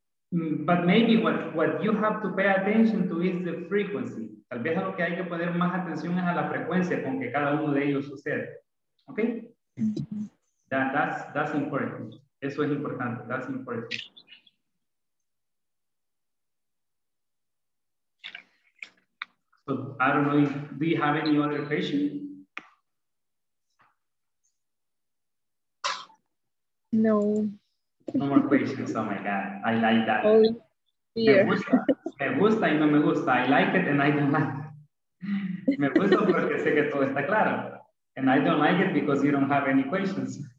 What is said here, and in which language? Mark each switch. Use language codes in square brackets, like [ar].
[en] But maybe what you have to pay attention to is the frequency. [es] Tal vez lo que hay que poner más atención es a la frecuencia con que cada uno de ellos sucede. [en] Okay? That's important. [es] Eso es importante. [en] That's important. So I don't know if, do you have any other question? No. No more questions. Oh my God, I like that. Oh, [es] yeah. Me gusta y no me gusta. [en] I like it and I don't like it. [es] Me gusta porque sé que todo está claro. [en] And I don't like it because you don't have any questions.